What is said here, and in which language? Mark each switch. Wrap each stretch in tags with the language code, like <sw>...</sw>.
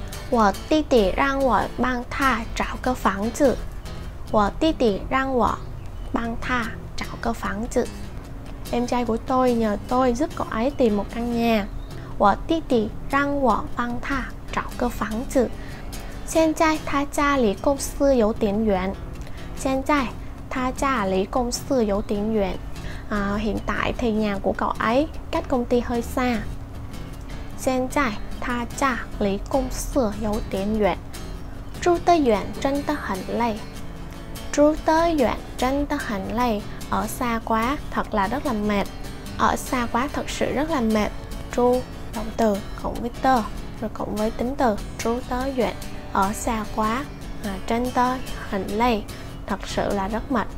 <zh>我弟弟让我帮他找个房子。我弟弟让我帮他找个房子。</zh> <vi>Em trai của tôi nhờ tôi giúp cậu ấy tìm một căn nhà.</vi> <zh>我弟弟让我帮他找个房子。现在他家离公司有点远。现在他家离公司有点远。</zh> <vi>Hiện tại thì nhà của cậu ấy cách công ty hơi xa.</vi> <zh>现在他家离公司有点远，住得远真的很累。住得远真的很累，</zh> <vi>ở xa quá thật là rất là mệt。 ở xa quá thật sự rất là mệt. Trú động từ cộng với tơ rồi cộng với tính từ trú tớ duyện. Ở xa quá, trên tơ hành lây, thật sự là rất mệt.</vi>